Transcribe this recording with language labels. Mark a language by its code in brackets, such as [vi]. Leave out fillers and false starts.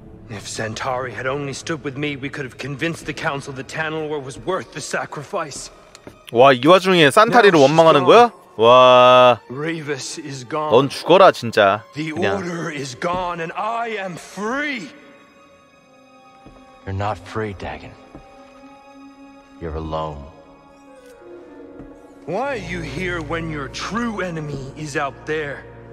[en] If Centauri had only stood with me, we could have convinced the council that Tanalore was worth the sacrifice. [ko] 와, 이 와중에 산타리를 원망하는 거야? 와. [en] Revis is gone. [ko] 넌 죽어라 진짜. 그냥. [en] The order is gone and I am free. You're not free, Dagon. You're alone. Why are you here when your true enemy is out there?